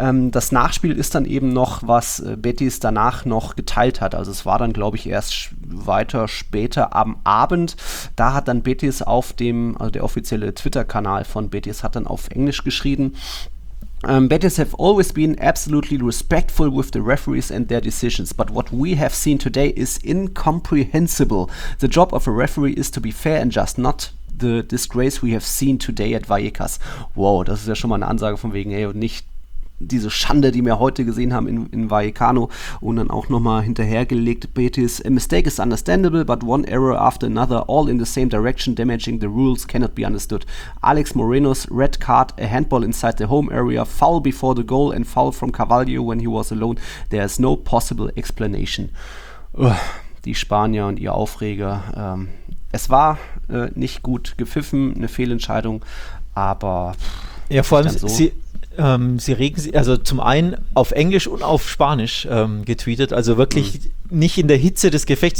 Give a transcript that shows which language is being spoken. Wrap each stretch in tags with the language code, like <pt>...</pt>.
<de>Das Nachspiel ist dann eben noch, was Betis danach noch geteilt hat, also es war dann glaube ich erst weiter später am Abend, da hat dann Betis auf dem, also der offizielle Twitter-Kanal von Betis hat dann auf Englisch geschrieben:</de> <en>Betis have always been absolutely respectful with the referees and their decisions, but what we have seen today is incomprehensible. The job of a referee is to be fair and just, not the disgrace we have seen today at Vallecas.</en> <de>Wow, das ist ja schon mal eine Ansage von wegen, ey, nicht diese Schande, die wir heute gesehen haben in Vallecano, und dann auch nochmal hinterhergelegt, Betis:</de> <en>a mistake is understandable, but one error after another, all in the same direction, damaging the rules, cannot be understood. Alex Moreno's red card, a handball inside the home area, foul before the goal and foul from Carvalho when he was alone, there is no possible explanation.</en> <de>Die Spanier und ihr Aufreger. Es war nicht gut gepfiffen, eine Fehlentscheidung, aber... Ja, vor allem sie regen sich, also zum einen auf Englisch und auf Spanisch getweetet, also wirklich nicht in der Hitze des Gefechts.</de>